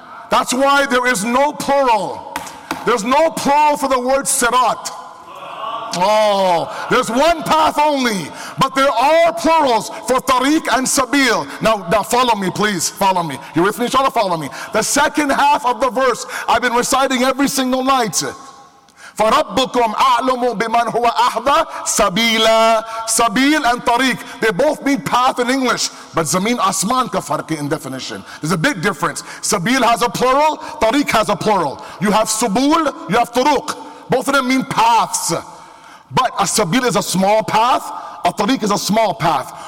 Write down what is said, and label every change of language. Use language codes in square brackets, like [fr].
[en] That's why there is no plural. There's no plural for the word sirat. Oh, there's one path only. But there are plurals for tariq and sabil. Now follow me, please. Follow me. You with me? Inshallah, follow me. The second half of the verse I've been reciting every single night. [ar] فَرَبُّكُمْ أَعْلَمُ بِمَنْ هُوَ أَحْدَى سَبِيلًا. [en] Sabil and tariq, they both mean path in English. But [ur] zameen asman ka farq [en] in definition. There's a big difference. Sabil has a plural, tariq has a plural. You have subul, you have turuq. Both of them mean paths. But a sabil is a small path, a tariq is a small path.